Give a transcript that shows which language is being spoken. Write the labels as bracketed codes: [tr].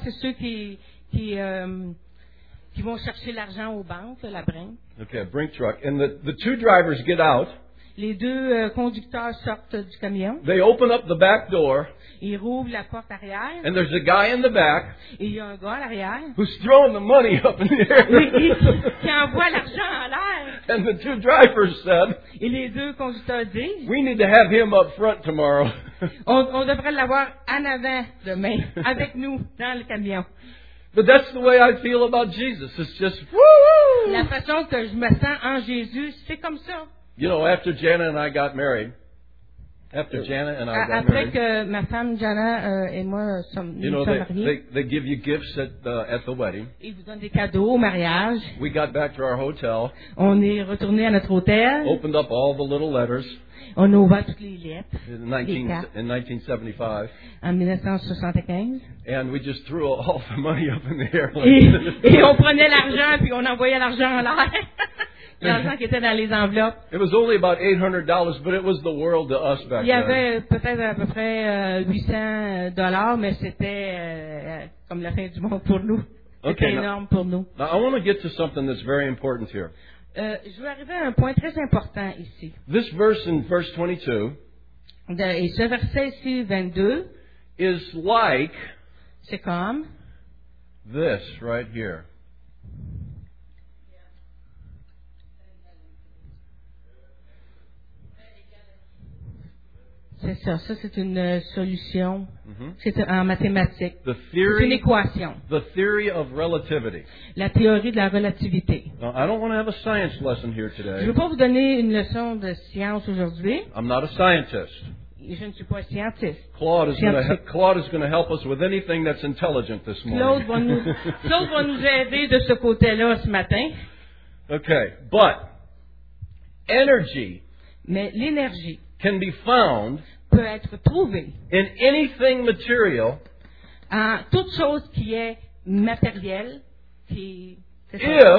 [fr] C'est ça, c'est ceux qui vont chercher l'argent aux banques, la brink. [en] Okay, brink truck. And the two drivers get out. [fr] les deux conducteurs sortent du camion. [en] They open up the back door. [fr] Ils rouvrent la porte arrière. [en] And there's a guy in the back. [fr] Et il y a un gars à l'arrière. [en] Who's throwing the money up in the air. [fr] Qui envoie l'argent en l'air. [en] And the two drivers said. [fr] Et les deux conducteurs disent. [en] We need to have him up front tomorrow. [fr] On devrait l'avoir en avant demain, avec nous, dans le camion. [en] But that's the way I feel about Jesus. It's just woo. [fr] La façon que je me sens en Jésus, c'est comme ça. [en] You know, after Jana and I got married, after Jana and I got [fr] après [en] married, [fr] que ma femme Jana et moi sommes mariés, [en] you know, they give you gifts at the wedding. [fr] Ils vous donnent des cadeaux au mariage. [en] We got back to our hotel. [fr] On est retourné à notre hôtel. [en] Opened up all the little letters. [fr] On a ouvert toutes les lettres. [en] In 1975. [fr] En 1975. [en] And we just threw all the money up in the air. [fr] Et on prenait l'argent puis on envoyait l'argent en l'air. [en] It was only about $800, but it was the world to us back then. [fr] Il y avait peut-être à peu près $800, mais c'était comme la fin du monde pour nous. [en] Okay, [fr] c'était énorme pour nous. [en] Now I want to get to something that's very important here. [fr] Je veux arriver à un point très important ici. [en] This verse in verse 22. [fr] Et ce verset ici, 22. [en] Is like. [fr] C'est comme. [en] This right here. [fr] C'est ça. Ça, c'est une solution. Mm-hmm. C'est en mathématiques. [en] The theory, [fr] c'est une équation. [en] The theory of relativity. [fr] La théorie de la relativité. [en] Now, I don't want to have a science lesson here today. [fr] Je ne veux pas vous donner une leçon de science aujourd'hui. [en] I'm not a scientist. [fr] Je ne suis pas scientiste. [en] Claude is going to help us with anything that's intelligent this morning. [fr] Claude va nous aider de ce côté-là ce matin. [en] Okay, but energy. [fr] Mais l'énergie. [en] Can be found [fr] peut être trouvé [en] in anything material, [fr] toute chose qui est matérielle, qui, c'est ça,